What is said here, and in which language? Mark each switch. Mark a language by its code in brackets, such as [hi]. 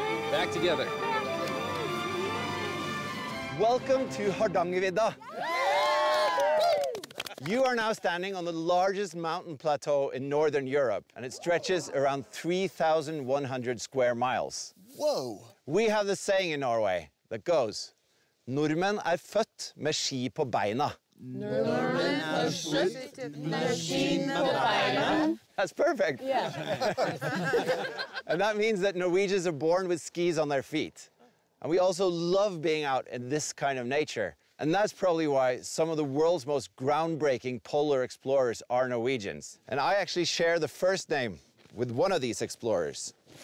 [en] Back together. Welcome to Hardangervidda. Yeah! You are now standing on the largest mountain plateau in Northern Europe, and it stretches around 3,100 square miles. Whoa. We have the saying in Norway that goes, [no] Nordmenn født med ski på beina. Nordmenn født med ski på beina. [en] That's perfect. Yeah. And that means that Norwegians are born with skis on their feet. And we also love being out in this kind of nature. And that's probably why some of the world's most groundbreaking polar explorers are Norwegians. And I actually share the first name with one of these explorers.